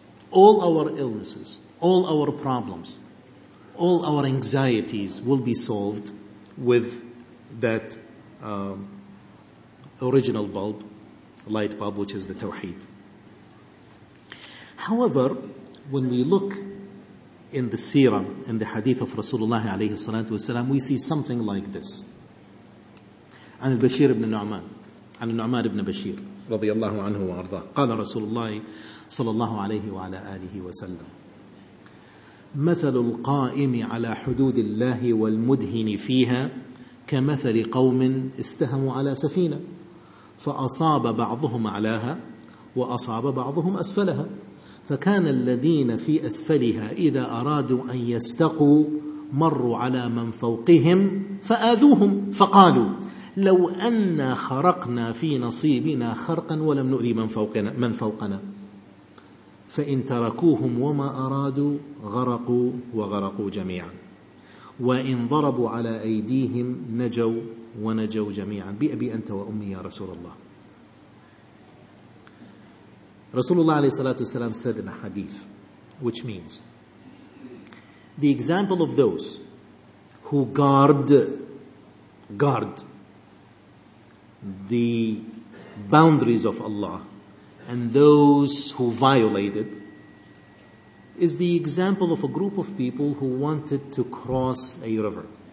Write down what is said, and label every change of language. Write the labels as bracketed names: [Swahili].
[English] All our illnesses, all our problems, all our anxieties will be solved with that original bulb, light bulb, which is the Tawheed. However, when we look in the seerah, in the hadith of Rasulullah alayhi salatu wasalam, we see something like this. [Arabic] An al-Bashir ibn Nu'man, an al-Nu'man ibn Bashir, radiyallahu anhu wa arda, qala Rasulullah sallallahu alayhi wa ala alihi wa sallam, مثل القائم على حدود الله والمدهن فيها كمثل قوم استهموا على سفينة فأصاب بعضهم علىها وأصاب بعضهم أسفلها فكان الذين في أسفلها إذا أرادوا أن يستقوا مروا على من فوقهم فآذوهم فقالوا لو أن خرقنا في نصيبنا خرقا ولم نؤذي من فوقنا فإن تركوهم وما أرادوا غرقوا وغرقوا جميعا وإن ضربوا على أيديهم نجوا ونجوا جميعا بأبي أنت وأمي يا رسول الله. رسول الله عليه الصلاة والسلام [English] said in a hadith, which means the example of those who guard the boundaries of Allah and those who violate it is the example of a group of people who wanted to cross a river.